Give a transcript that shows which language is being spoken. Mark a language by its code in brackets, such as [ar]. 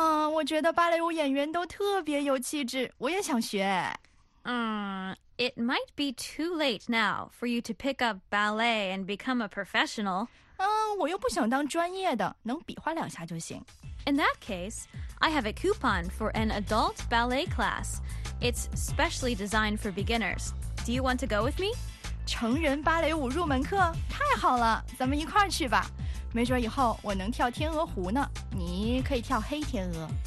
[zh] 我觉得芭蕾舞演员都特别有气质，我也想学。 [en] It might be too late now for you to pick up ballet and become a professional. [zh] 我又不想当专业的，能比划两下就行。 [en] In that case, I have a coupon for an adult ballet class. It's specially designed for beginners. Do you want to go with me? [zh] 成人芭蕾舞入门课？太好了，咱们一块儿去吧。没准以后我能跳天鹅湖呢，你可以跳黑天鹅。